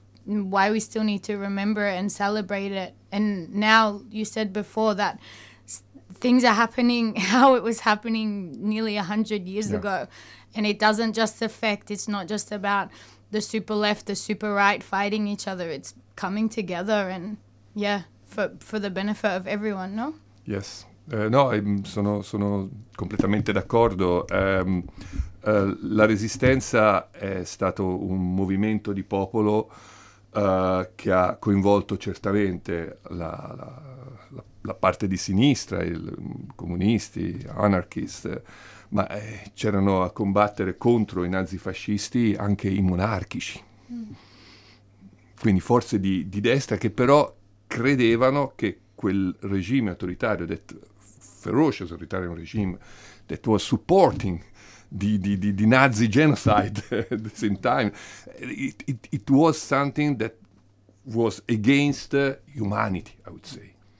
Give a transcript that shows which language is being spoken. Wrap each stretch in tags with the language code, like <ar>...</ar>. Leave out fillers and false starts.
<en>Why we still need to remember it and celebrate it. And now you said before that things are happening how it was happening nearly 100 years ago. And it doesn't just affect, it's not just about the super left, the super right fighting each other. It's coming together and, yeah, for the benefit of everyone, no?</en> <it>Yes. No, sono completamente d'accordo. La resistenza è stato un movimento di popolo che ha coinvolto certamente la parte di sinistra, i comunisti, anarchisti, ma c'erano a combattere contro i nazifascisti anche i monarchici. Quindi forze di destra che però credevano che quel regime autoritario,</it> <en>that ferocious autoritarian regime, that was supporting the Nazi genocide at the same time, it was something that was against humanity, I would say.</en>